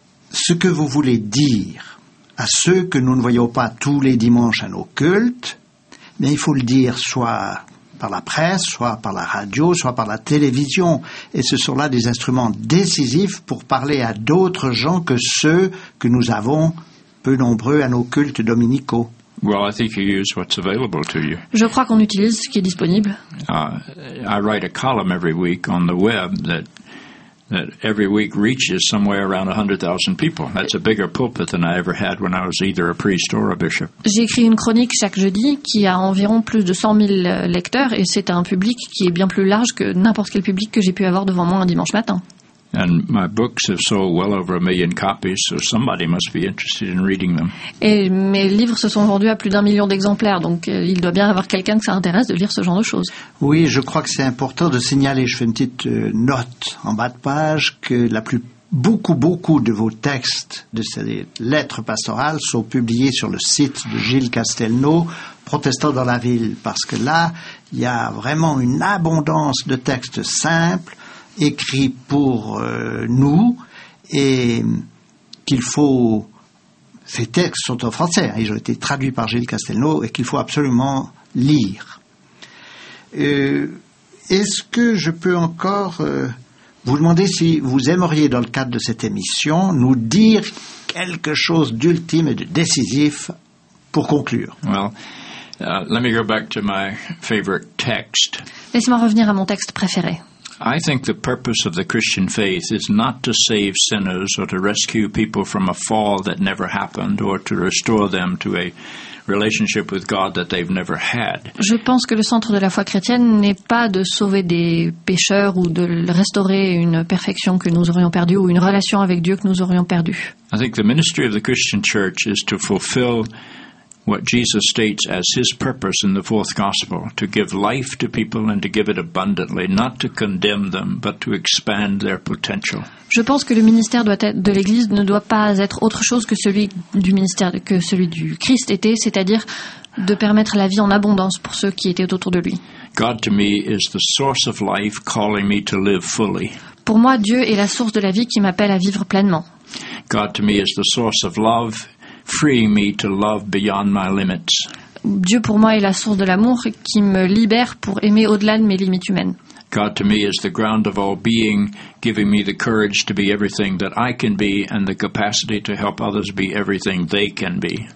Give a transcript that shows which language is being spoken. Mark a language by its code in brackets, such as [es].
[fr] ce que vous voulez dire à ceux que nous ne voyons pas tous les dimanches à nos cultes, mais il faut le dire soit par la presse, soit par la radio, soit par la télévision, et ce sont là des instruments décisifs pour parler à d'autres gens que ceux que nous avons peu nombreux à nos cultes dominicaux. [en] Well, I think you use what's available to you. [fr] Je crois qu'on utilise ce qui est disponible. [en] I write a column every week on the web that every week reaches somewhere around 100,000 people. That's a bigger pulpit than I ever had when I was either a priest or a bishop. [fr] J'écris une chronique chaque jeudi qui a environ plus de 100 000 lecteurs, et c'est un public qui est bien plus large que n'importe quel public que j'ai pu avoir devant moi un dimanche matin. [en] And my books have sold well over 1 million copies, so somebody must be interested in reading them. [fr] Et mes livres se sont vendus à plus d'un million d'exemplaires, donc il doit bien y avoir quelqu'un que ça intéresse de lire ce genre de choses. Oui, je crois que c'est important de signaler, je fais une petite note en bas de page, que la plus beaucoup de vos textes, de ces lettres pastorales, sont publiés sur le site de Gilles Castelnau, Protestant dans la ville, parce que là, il y a vraiment une abondance de textes simples, écrits pour nous, et qu'il faut... Ces textes sont en français, ils ont été traduits par Gilles Castelnau, et qu'il faut absolument lire. Est-ce que je peux encore... Vous demandez si vous aimeriez, dans le cadre de cette émission, nous dire quelque chose d'ultime et de décisif pour conclure. [en] Well, let me go back to my favorite text. [fr] Laisse-moi revenir à mon texte préféré. [en] I think the purpose of the Christian faith is not to save sinners or to rescue people from a fall that never happened or to restore them to a relationship with God that they've never had. [fr] Je pense que le centre de la foi chrétienne n'est pas de sauver des pécheurs ou de restaurer une perfection que nous aurions perdue ou une relation avec Dieu que nous aurions perdue. [en] I think the ministry of the Christian church is to fulfill what Jesus states as his purpose in the fourth gospel, to give life to people and to give it abundantly, not to condemn them, but to expand their potential. [fr] Je pense que le ministère doit être, de l'Église ne doit pas être autre chose que celui du ministère, que celui du Christ était, c'est-à-dire de permettre la vie en abondance pour ceux qui étaient autour de lui. [en] God to me is the source of life calling me to live fully. [fr] Pour moi, Dieu est la source de la vie qui m'appelle à vivre pleinement. [en] God to me is the source of love, free me to love beyond my limits. [fr] Dieu pour moi est la source de l'amour qui me libère pour aimer au-delà de mes limites humaines. [en] God to me is the ground of all being, giving me the courage to be everything that I can be and the capacity to help others be everything they can be.